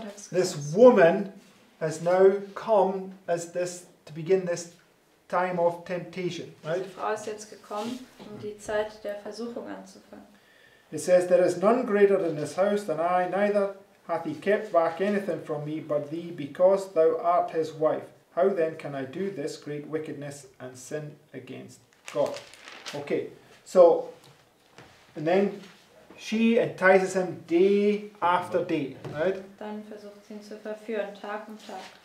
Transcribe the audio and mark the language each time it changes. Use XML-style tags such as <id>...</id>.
<en>This woman has now come as this to begin this time of temptation, right?</en> <de>Die Frau ist jetzt gekommen, um die Zeit der Versuchung anzufangen.</de> <en>It says, there is none greater in this house than I, neither hath he kept back anything from me but thee, because thou art his wife. How then can I do this great wickedness and sin against God? Okay, so, and then she entices him day after day, right?</en> <de>Dann versucht sie ihn zu verführen, Tag um Tag.</de>